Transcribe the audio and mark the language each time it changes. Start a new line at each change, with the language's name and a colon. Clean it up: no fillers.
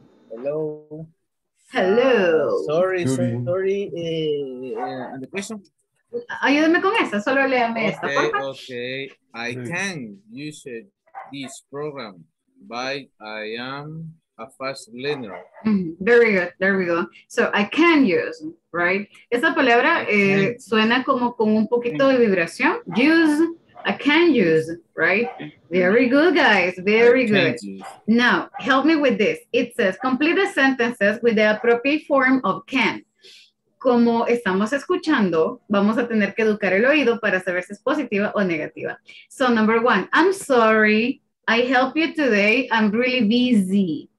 English: Hello. Sorry. And the question?
Spanish: Ayúdame con esta. Solo léame esta.
English: Okay. I can use this program, but I am a fast learner. Mm-hmm. Very good, there we go. So, I can use, right?
Spanish: Esa palabra suena como con un poquito de vibración.
English: Use, I can use, right? Very good, guys. Very good. Now, help me with this. It says, complete the sentences with the appropriate form of can.
Spanish: Como estamos escuchando, vamos a tener que educar el oído para saber si es positiva o negativa.
English: So, number one, I'm sorry, I help you today, I'm really busy.